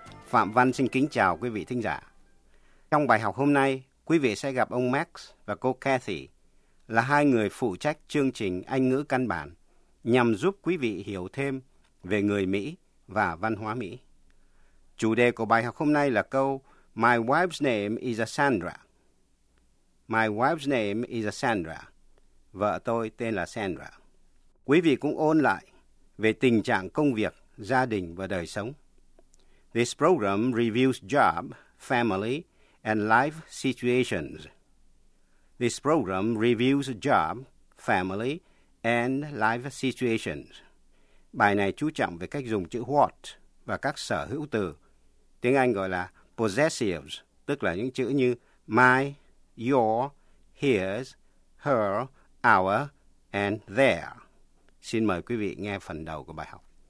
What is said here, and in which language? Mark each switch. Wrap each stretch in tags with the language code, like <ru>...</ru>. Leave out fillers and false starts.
<vi>Phạm Văn xin kính chào quý vị thính giả. Trong bài học hôm nay, quý vị sẽ gặp ông Max và cô Kathy, là hai người phụ trách chương trình Anh ngữ căn bản, nhằm giúp quý vị hiểu thêm về người Mỹ và văn hóa Mỹ. Chủ đề của bài học hôm nay là câu My wife's name is a Sandra.</vi> <en>My wife's name is a Sandra.</en> <vi>Vợ tôi tên là Sandra. Quý vị cũng ôn lại về tình trạng công việc, gia đình và đời sống.</vi> <en>This program reviews job, family, and life situations. This program reviews job, family, and life situations.</en> <vi>Bài này chú trọng về cách dùng chữ what và các sở hữu từ. Tiếng Anh gọi là possessives, tức là những chữ như my, your, his, her, our, and their. Xin mời quý vị nghe phần đầu của bài học.</vi>